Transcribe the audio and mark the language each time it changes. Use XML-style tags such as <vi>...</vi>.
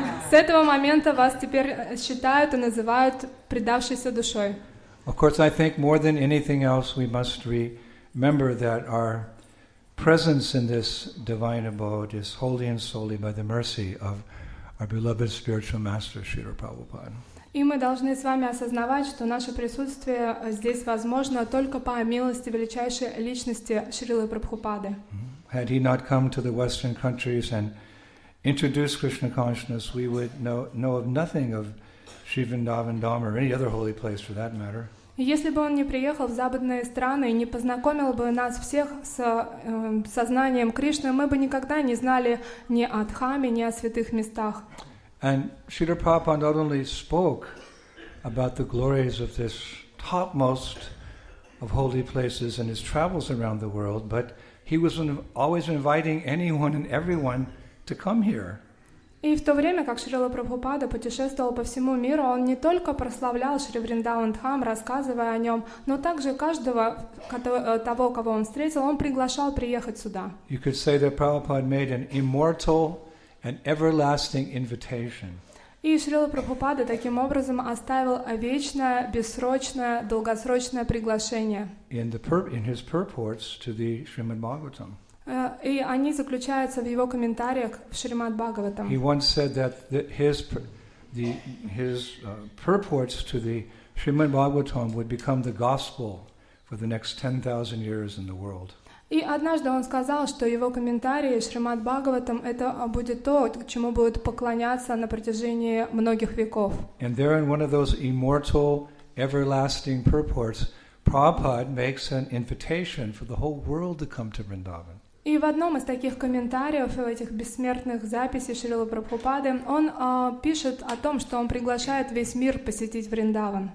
<ru>С этого момента вас теперь считают и называют предавшейся душой.</ru> <en>Of course, I think more than anything else, we must remember that our presence in this divine abode is wholly and solely by the mercy of our beloved spiritual master, Srila Prabhupada.</en> <ru>И мы должны с вами осознавать, что наше присутствие здесь возможно только по милости величайшей личности Шрилы Прабхупады.</ru> <en>Had he not come to the Western countries and introduced Krishna consciousness, we would know of nothing of Sri Vrindavan Dham or any other holy place for that matter.</en> <ru>Если бы он не приехал в западные страны и не познакомил бы нас всех с сознанием Кришны, мы бы никогда не знали ни о Дхаме, ни о святых местах.</ru> <en>And Srila Prabhupada not only spoke about the glories of this topmost of holy places and his travels around the world, but he was always inviting anyone and everyone to come here.</en> <ru>И в то время, как Шрила Прабхупада путешествовал по всему миру, он не только прославлял Шри Вриндаван Дхам, рассказывая о нем, но также каждого того, кого он встретил, он приглашал приехать сюда.</ru> <en>You could say that Prabhupada made an immortal and everlasting invitation.</en> <ru>И Шрила Прабхупада таким образом оставил вечное, бессрочное, долгосрочное приглашение.</ru> <en>In his purports to the Shrimad Bhagavatam.</en> <ru>И они заключаются в его комментариях в Шримад Бхагаватам.</ru> <en>He once said that his purports to the Shrimad Bhagavatam would become the gospel for the next 10,000 years in the world.</en> <ru>И однажды он сказал, что его комментарии Шримад Бхагаватам это будет то, чему будут поклоняться на протяжении многих веков.</ru> <en>And there in one of those immortal, everlasting purports, Prabhupada makes an invitation for the whole world to come to Vrindavan.</en> <ru>И в одном из таких комментариев, в этих бессмертных записей Шрилы Прабхупады, он пишет о том, что он приглашает весь мир посетить Вриндаван.</ru>